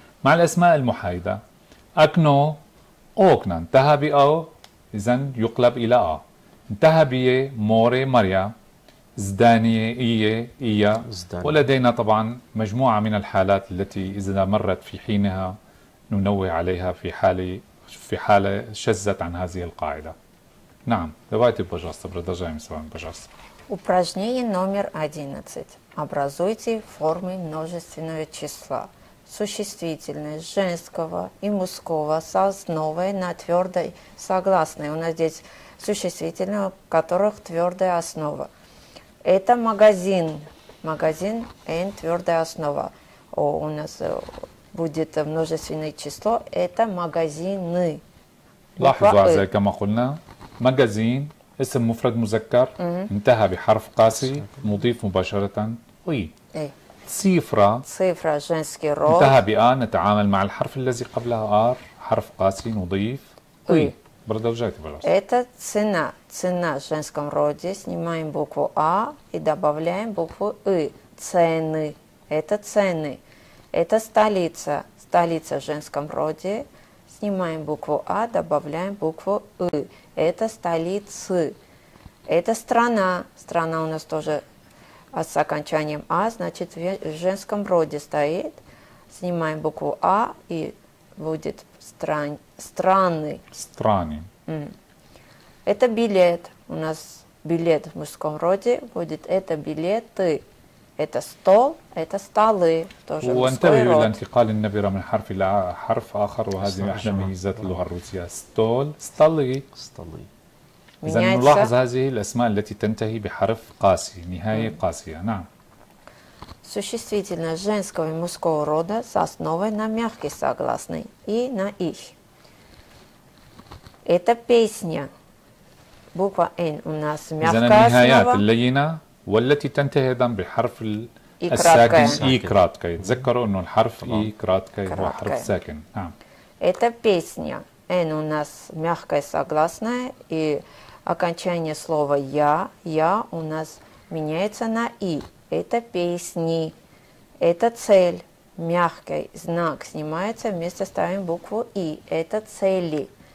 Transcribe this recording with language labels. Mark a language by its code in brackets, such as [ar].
[ar] مع الأسماء المحايدة [ru] أكنو أوكنا [ar] انتهى بأو إذن يقلب إلى أ، انتهى بي [ru] موري ماريا زداني [ar] إيه إيا. ولدينا طبعا مجموعة من الحالات التي إذا مرت في حينها ننوه عليها في حالة شذت عن هذه القاعدة. [ru] Нам, давайте, пожалуйста, продолжаем с вами, пожалуйста. Упражнение номер 11. Образуйте формы множественного числа. Существительное женского и мужского с основой на твердой согласной. У нас здесь существительное, у которых твердая основа. Это магазин. Магазин N твердая основа. У нас будет множественное число. Это магазины. [ar] لاحظوا أعزائي كما قلنا مجازين اسم مفرد مذكر انتهى بحرف قاسي مضيف مباشرة اي. صفرة [ru] جنسكي رود [ar] انتهى بآ نتعامل مع الحرف الذي قبلها آر حرف قاسي نضيف اي. برضو جايتي بلاس [ru] это цена женском роде снимаем букву А и добавляем букву И цены это цены это столица женском роде снимаем букву А добавляем букву И это столицы. Это страна. Страна у нас тоже с окончанием А, значит, в женском роде стоит. Снимаем букву А и будет страны. Страны. Это билет. У нас билет в мужском роде будет. Это билеты. Это стол. Это столы. Тоже мужской род. [ar] الانتقال النبرة من حرف إلى حرف آخر وهذه أحد ميزات اللغة الروسية. [ru] ستول. ستالي. ستالي. [ar] إذا نلاحظ هذه الأسماء التي تنتهي بحرف قاسي نهاية قاسية. نعم. [ru] существительное женского и мужского рода с основой на мягкой согласной и на их. Это песня. Буква N у нас мягкая основа. [ar] إذا النهايات اللينة والتي تنتهي أيضا بحرف الساكن [ru] إي كراتكا. [ar] تذكروا إنه الحرف إي كراتكا هو حرف ساكن. نعم. [ru] Эта песня N у нас мягкая согласная и окончание слова я, я у нас меняется на и. Это песни. Это цель. Мягкий знак снимается, вместо ставим букву и. Это цели.